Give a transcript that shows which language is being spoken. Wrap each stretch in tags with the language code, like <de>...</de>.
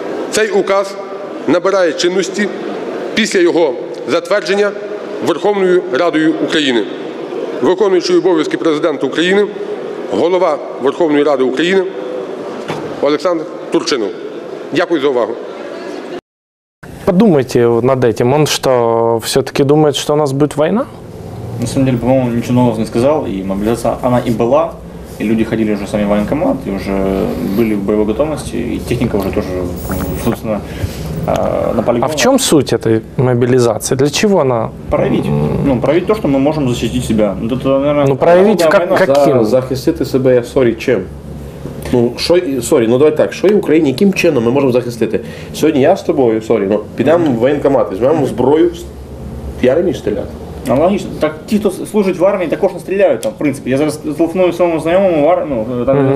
<uk>Цей указ набирає чинності після його затвердження Верховною Радою України. Виконуючий обов'язки президента України, голова Верховної Ради України Олександр Турчинов. Дякую за увагу.</uk> <ru>Подумайте над этим. Он что, все-таки думает, что у нас будет война? На самом деле, по-моему, ничего нового не сказал. И мобилизация, она и была. И люди ходили уже сами в военкомат. И уже были в боевой готовности. И техника уже тоже, собственно, на полигоне. А в чем суть этой мобилизации? Для чего она? Проявить. Ну, проявить то, что мы можем защитить себя. Это, наверное, ну, проявить как, война, каким?</ru> <uk>Захистити себе, я сорі, чим? Ну, що, сорі, ну давай так, що в Україні, яким чином ми можемо захистити? Сьогодні я з тобою, сорі, ну, підемо в воєнкомат, візьмемо зброю, я раніше стріляти. Аналогічно, так ті, хто служить в армії, також не стріляють там, в принципі. Я зараз телефоную своєму знайомому в армії, ну, там mm-hmm.</uk>